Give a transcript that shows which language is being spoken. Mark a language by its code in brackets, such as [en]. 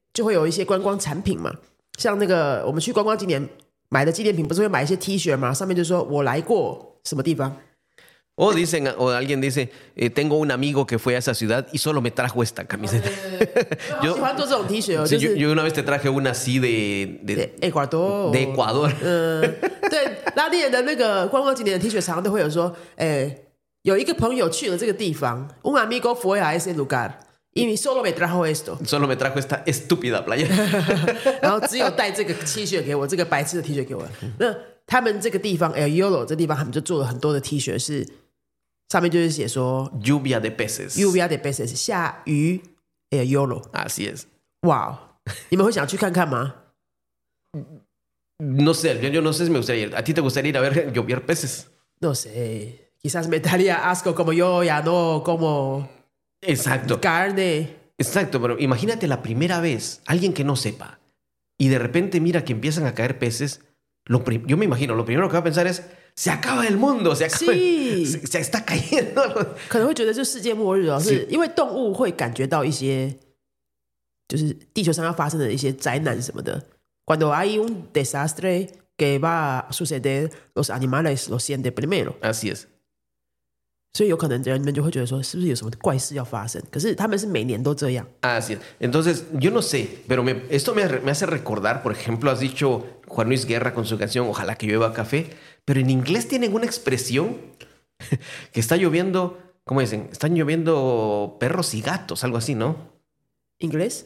[es] Entonces, [zh] 像那个我们去观光景点买的纪念品不是会买一些 T 恤吗上面就说我来过什么地方 [es] o, dicen, o alguien dice tengo un amigo que fue a esa ciudad y solo me trajo esta camiseta [zh] 我喜欢做这种 T 恤、哦 [es] sí, [zh] 就是、 [es] yo una vez te traje una así de Ecuador, de Ecuador. [zh] 对拉丁人的那个观光景点的 T 恤常常都会有说有一个朋友去了这个地方 [es] un amigo fue a ese lugar y solo me trajo esto solo me trajo esta estúpida playera [zh] 然后只有带这个 T 恤给我这个白痴的 T 恤给我那他们这个地方 El Yolo 这地方他们就做了很多的 T 恤是上面就是写说 [es] lluvia de peces lluvia de peces [zh] 下雨 [es] El Yolo así es [zh] wow 你们会想去看看吗 [es] no sé yo no sé si me gustaría ir a ti te gustaría ir a ver lluvia de peces no sé quizás me daría asco como yo ya no como Exacto. Carne. Exacto, pero imagínate la primera vez, alguien que no sepa, y de repente mira que empiezan a caer peces, yo me imagino, lo primero que va a pensar es, se acaba el mundo, se acaba, sí. se está cayendo. [zh] 可能会觉得就世界末日哦，是因为动物会感觉到一些，就是地球上要发生的一些灾难什么的。 [es] Cuando hay un desastre que va a suceder, los animales lo sienten primero. Así es. [zh] 所以有可能人们就会觉得说，是不是有什么怪事要发生？可是他们是每年都这样。 [es] Así es. Entonces, yo no sé, pero esto me hace recordar, por ejemplo, has dicho Juan Luis Guerra con su canción Ojalá que llueva café, pero en inglés tienen una expresión que está lloviendo, ¿cómo dicen? Están lloviendo perros y gatos, algo así, ¿no? ¿Inglés?